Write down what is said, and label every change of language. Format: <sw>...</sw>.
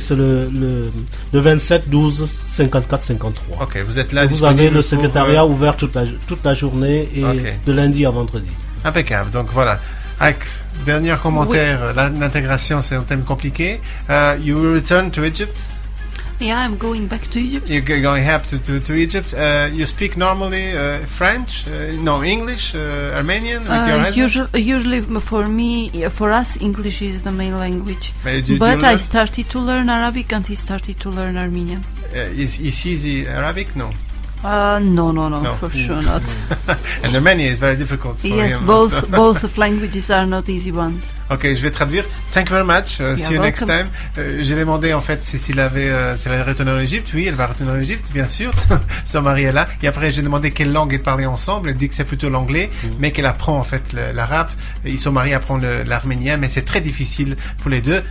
<fr>C'est le 27 12 54 53. OK, vous êtes là. Vous avez le secrétariat ouvert toute la journée et de lundi à vendredi. Impeccable. Donc voilà. Dernier commentaire, l'intégration c'est un thème compliqué.</fr> <en>You will return to Egypt? Yeah, I'm going back to Egypt. You're going back to Egypt. You speak normally French? No, English? Armenian? With your husband? Usually for us, English is the main language. But I started to learn Arabic and he started to learn Armenian. Is he Arabic? No. No, for sure not. And Armenian is very difficult for yes, him. Yes, both of languages are not easy ones. Ok,</en> <fr>je vais traduire.</fr> <en>Thank you very much. See you next time.</en> <fr>J'ai demandé en fait s'il avait retourné en Égypte. Oui, elle va retourner en Égypte, bien sûr. Son mari est là. Et après, j'ai demandé quelle langue ils parlaient ensemble. Elle dit que c'est plutôt l'anglais, mais qu'elle apprend en fait l'arabe. Ils sont mariés, apprennent l'arménien, mais c'est très difficile pour les deux.</fr>